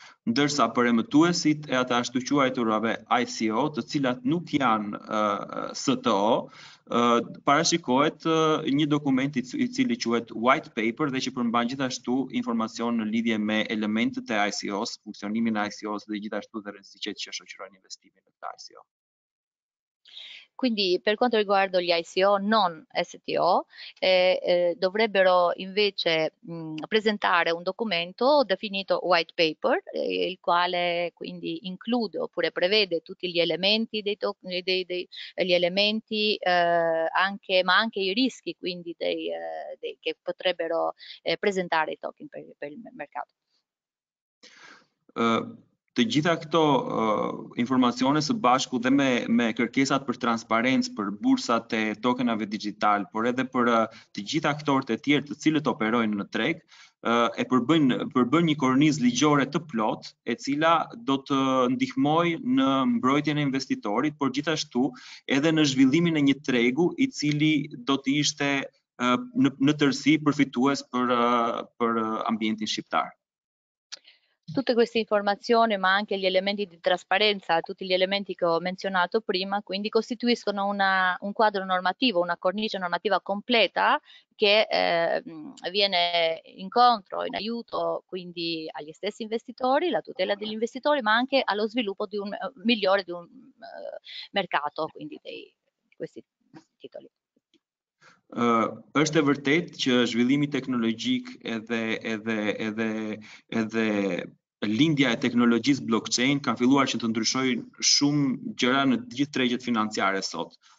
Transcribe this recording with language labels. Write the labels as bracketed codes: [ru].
[sq] Ndërsa për emëtuesit e ata ashtu quajturave ICO, të cilat nuk janë STO, parashikohet një dokument i cili quhet white paper dhe që përmban gjithashtu informacion në lidhje me elementet e ICO-s, funksionimin e ICO-s dhe gjithashtu dhe rreziqet që shoqërojnë investimin në këtë ICO. [it] Quindi per quanto riguarda gli ICO non STO, dovrebbero invece presentare un documento definito white paper, il quale quindi include oppure prevede tutti gli elementi dei gli elementi anche i rischi quindi che potrebbero presentare i token per il mercato. [sq] Të gjitha këto informacione së bashku dhe me kërkesat për transparencë, për bursat e tokenave digital, por edhe për të gjitha aktorët e tjerë të cilët operojnë në treg, e përbën një kornizë ligjore të plot, e cila do të ndihmoj në mbrojtjen e investitorit, por gjithashtu edhe në zhvillimin e një tregu i cili do të ishte në tërsi përfitues për ambientin shqiptar. [it] Tutte queste informazioni, ma anche gli elementi di trasparenza, tutti gli elementi che ho menzionato prima, quindi costituiscono un quadro normativo, una cornice normativa completa che viene incontro, in aiuto quindi agli stessi investitori, la tutela degli investitori, ma anche allo sviluppo di un migliore di un mercato, quindi di questi titoli. [sq] Është e vërtet që zhvillimi teknologjik edhe lindja e teknologjisë blockchain kanë filluar që të ndryshojnë shumë gjëra në gjithë tregjet financiare sot.